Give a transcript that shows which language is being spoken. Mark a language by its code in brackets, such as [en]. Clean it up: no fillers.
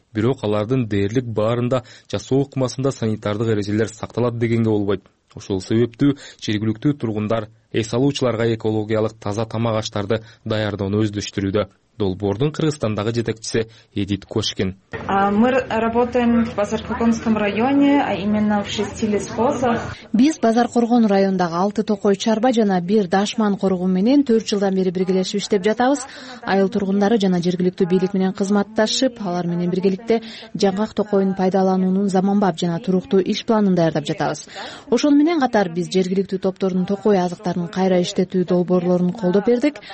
[ky] Бирок алардын дээрлик баарында жасоо ыкмасында санитардык эрежелер сакталат дегенге болбойт. Ошол себептүү жергиликтүү тургундар эс алуучуларга экологиялык таза тамак аштарды даярдоону өздөштүрүүдө. Долбоордун Кыргызстандагы жетекчиси Эдит Кошкин. [ru] Мы работаем в Базаркоргонском районе, а именно в 6 лесхозах. [ky] Биз Базаркоргон районундагы 6 токой чарба жана 1 дашман коругу менен 4 жылдан бери биргелешип иштеп жатабыз. Айыл тургундары жана жергиликтүү бийлик менен кызматташып, алар менен биргеликте жаңгак токоюн пайдалануунун заманбап жана туруктуу иш планын даярдап жатабыз. Ошол менен катар биз жергиликтүү топтордун токой азыктарын кайра иштетүү долбоорлорун колдоп бердик.